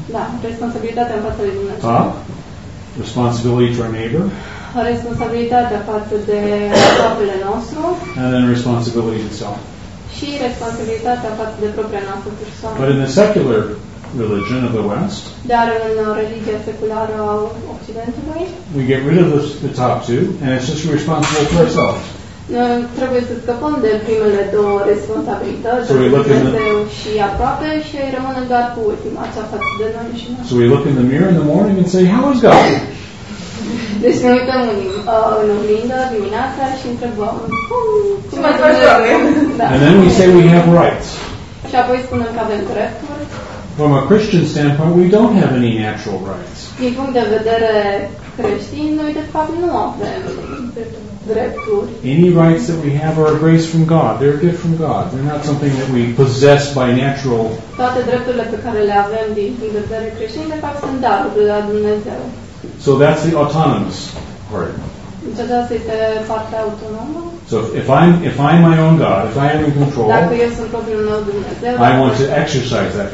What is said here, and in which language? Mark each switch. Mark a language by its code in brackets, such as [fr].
[ro] Da, responsabilitatea în fața lui Dumnezeu. [en] Ha? Responsibility to our neighbor. [ro] Responsabilitatea față de propriile nostru. [en] And then responsibility to self. [ro] Și responsabilitatea față de propria noastră persoană. [en] But in the secular religion of the West. [ro] Dar în religia seculară a Occidentului. [en] We get rid of the top two, and it's just responsible for ourselves. [ro] Trebuie să scăpăm de primele două responsabilități, Dumnezeu și aproape, și rămânem doar cu ultima, aceasta de noi și noi. [en] So we look in the mirror in the morning and say, how is God? [ro] Deci ne uităm în oglindă dimineața și întrebăm cum ați face doamne? [en] And then we say we have rights. [ro] Și apoi spunem că avem drepturi. [en] From a Christian standpoint, we don't have any natural rights. [ro] Din punct de vedere creștin, noi de fapt nu avem drepturi. [en] Any rights that we have are a grace from God. They're a gift from God. They're not something that we possess by natural. [ro] Toate drepturile pe care le avem din punct de vedere creștin, de fapt, sunt daruri de la Dumnezeu. [en] So that's the autonomous part. So if I'm my own God, if I am in control, I want to exercise that